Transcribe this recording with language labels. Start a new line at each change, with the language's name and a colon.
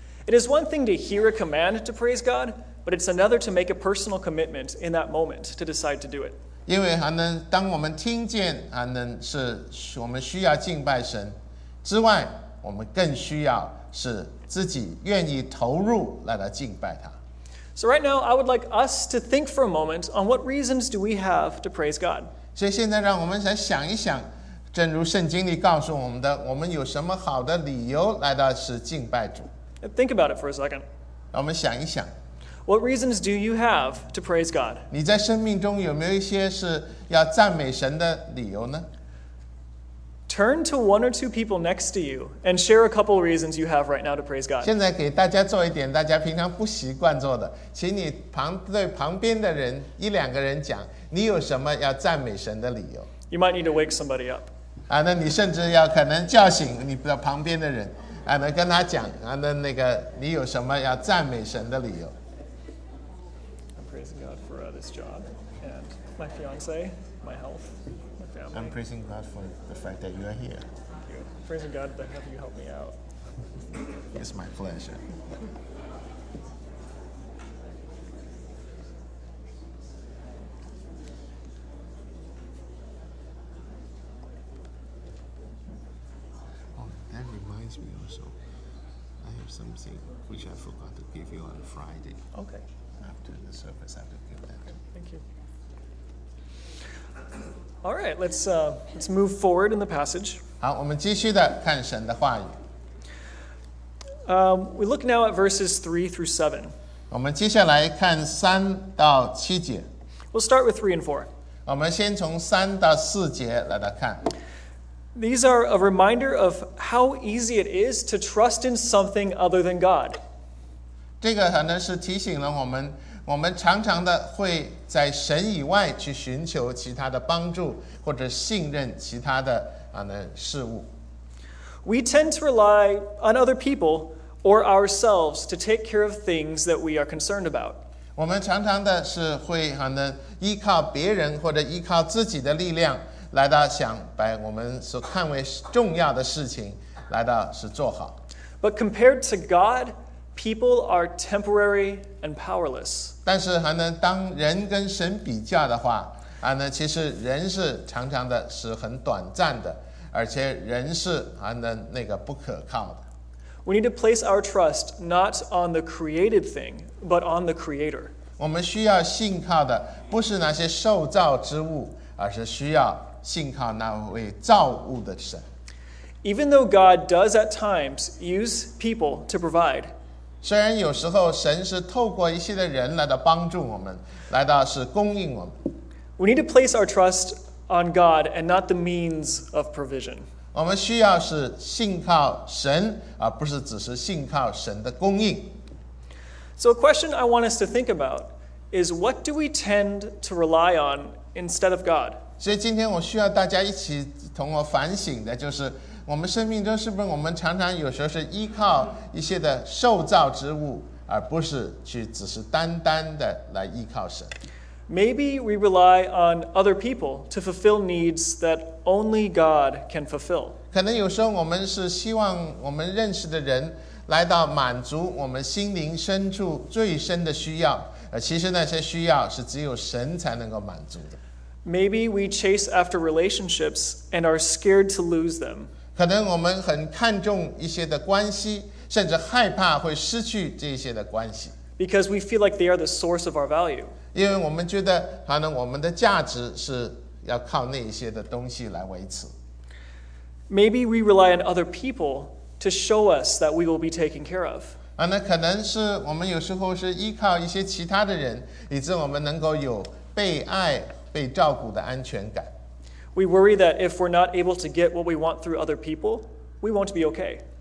English: It is one thing to hear a command to praise God, but it's another to make a personal commitment in that moment to decide to do it.
Chinese: 因为当我们听见是我们需要敬拜神之外，我们更需要是自己愿意投入来敬拜他。
English: So right now, I would like us to think for a moment on what reasons do we have to praise God.
Chinese: 所以现在让我们来想一想，正如圣经里告诉我们的，我们有什么好的理由来到是敬拜主。
English: Think about it for a second.
Chinese: 让我们想一想。
English: What reasons do you have to praise God?
Chinese: 你在生命中有没有一些是要赞美神的理由呢？
English: Turn to one or two people next to you and share a couple of reasons you have right now to praise God.
Chinese: 现在给大家做一点大家平常不习惯做的，请你对旁边的人一两个人讲，你有什么要赞美神的理由。
English: You might need to wake somebody up.
Chinese: 啊，那你甚至要可能叫醒你的旁边的人，啊，那跟他讲，啊，那个你有什么要赞美神的理由。
English: I'm praising God for this job and my fiance, my health. I'm praising God for the fact that you are here. Thank you. Praising God that have you help me out. It's my pleasure. Oh, that reminds me also. I have something which I forgot to give you on Friday. Okay. After the service, I have to give that to you. Thank you. All right, let's move forward in the passage.
Chinese: 好，我们继续的看神的话语。
English: We look now at verses 3-7.
Chinese: 我们接下来看三到七节。
English: We'll start with 3 and 4.
Chinese: 我们先从三到四节来到看。
English: These are a reminder of how easy it is to trust in something other than God.
Chinese: 这个可能是提醒了我们。我们常常的会在神以外去寻求其他的帮助或者信任其他的事物。
English: We tend to rely on other people or ourselves to take care of things that we are concerned about.
Chinese: 我们常常的是会依靠别人或者依靠自己的力量来到想把我们所看为重要的事情来到是做好。
English: But compared to God,People are temporary and powerless.
Chinese: 但是还能当人跟神比较的话，其实人是常常的是很短暂的，而且人是那个不可靠的。
English: We need to place our trust not on the created thing, but on the Creator.
Chinese: 我们需要信靠的不是那些受造之物，而是需要信靠那位造物的神。
English: Even though God does at times use people to provide.
Chinese: 虽然有时候神是透过一些的人来到帮助我们，来到是供应我们。
English: We need to place our trust on God and not the means of provision.
Chinese: 我们需要是信靠神，而不是只是信靠神的供应。
English: So a question I want us to think about is what do we tend to rely on instead of God?
Chinese: 所以今天我需要大家一起同我反省的就是我们生命中是不是我们常常有时候是依靠一些的受造之物，而不是去只是单单的来依靠神。
English: Maybe we rely on other people to fulfill needs that only God can fulfill.
Chinese: 可能有时候我们是希望我们认识的人来到满足我们心灵深处最深的需要，而其实那些需要是只有神才能够满足的。
English: Maybe we chase after relationships and are scared to lose them.
Chinese: 可能我们很看重一些的关系，甚至害怕会失去这些的关系。
English: Because we feel like they are the source of our value.
Chinese: 因为我们觉得可能我们的价值是要靠那些的东西来维持。
English: Maybe we rely on other people to show us that we will be taken care of.
Chinese: 那可能是我们有时候是依靠一些其他的人，以致我们能够有被爱、被照顾的安全感。
English: We worry that if we're not able to get what we want through other people, we won't be okay.